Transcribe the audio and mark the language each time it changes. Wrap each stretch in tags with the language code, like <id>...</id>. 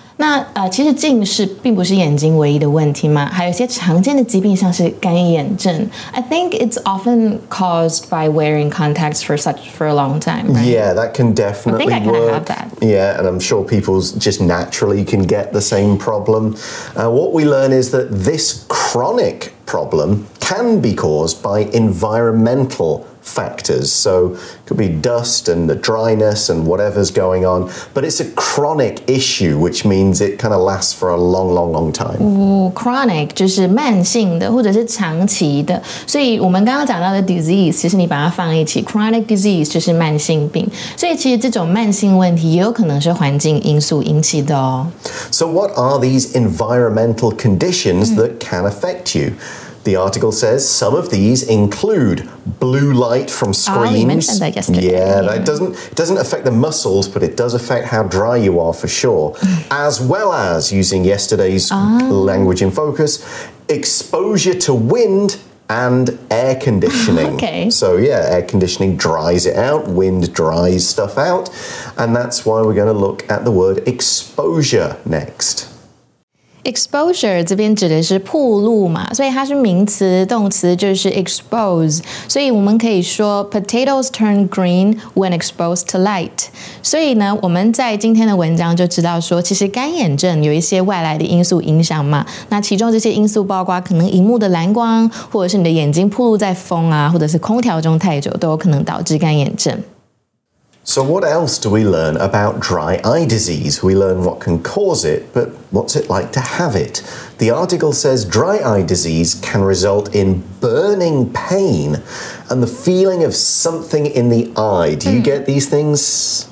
<zh>那其实近视并不是眼睛唯一的问题嘛，还有一些常见的疾病像是干眼症。</zh> <en>I think it's often caused by wearing contacts for a long time, right? Yeah, that can definitely work. I think I kind of have that. Yeah, and I'm sure people just naturally can get the same problem. What we learn is that this chronic problem can be caused by environmental factors. So it could be dust and the dryness and whatever's going on, but it's a chronic issue, which means it kind of lasts for a long, long, long time.</en> <zh>Ooh, chronic 就是慢性的或者是长期的。所以我们刚刚讲到的 disease, 其实你把它放一起 chronic disease 就是慢性病。所以其实这种慢性问题也有可能是环境因素引起的哦。</zh> <en>So what are these environmental conditions that can affect you? The article says some of these include blue light from screens. Oh, you mentioned that yesterday. Yeah, it doesn't affect the muscles, but it does affect how dry you are for sure, as well as, using yesterday's language in focus, exposure to wind and air conditioning. Okay. So yeah, air conditioning dries it out, wind dries stuff out, and that's why we're going to look at the word exposure next.</en> <zh>Exposure 这边指的是曝露嘛，所以它是名词，动词就是 expose。所以我们可以说</zh> <en>potatoes turn green when exposed to light。</en> <zh>所以呢，我们在今天的文章就知道说，其实干眼症有一些外来的因素影响嘛。那其中这些因素包括可能荧幕的蓝光，或者是你的眼睛曝露在风啊，或者是空调中太久，都有可能导致干眼症。</zh> <en>So what else do we learn about dry eye disease? We learn what can cause it, but what's it like to have it? The article says dry eye disease can result in burning pain and the feeling of something in the eye. Do you get these things?</en>